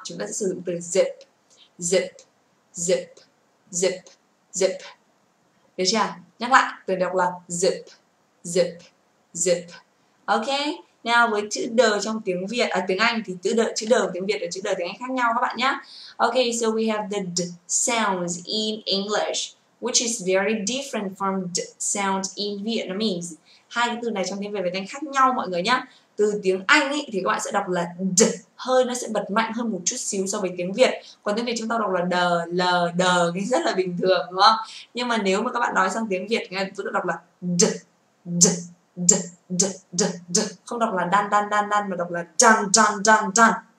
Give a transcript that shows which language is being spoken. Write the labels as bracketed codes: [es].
[vi] Chúng ta sẽ sử dụng từ zip, zip, zip, zip, zip. Được chưa? Nhắc lại, từ đọc là zip, zip, zip. Ok, nào với chữ d trong tiếng Việt, ở tiếng Anh thì chữ d của tiếng Việt và chữ d tiếng Anh khác nhau các bạn nhé. [en] Ok, so we have the d sounds in English, which is very different from d sound in Vietnamese. [vi] Hai cái từ này trong tiếng Việt và tiếng Anh khác nhau mọi người nhá. Từ tiếng Anh ấy thì các bạn sẽ đọc là d, hơi nó sẽ bật mạnh hơn một chút xíu so với tiếng Việt. Còn tiếng Việt chúng ta đọc là d, l, d rất là bình thường đúng không? Nhưng mà nếu mà các bạn nói sang tiếng Việt thì chúng ta đọc là d, D, d, d, d, d. Không đọc là đan đan đan đan mà đọc là dan dan dan dan.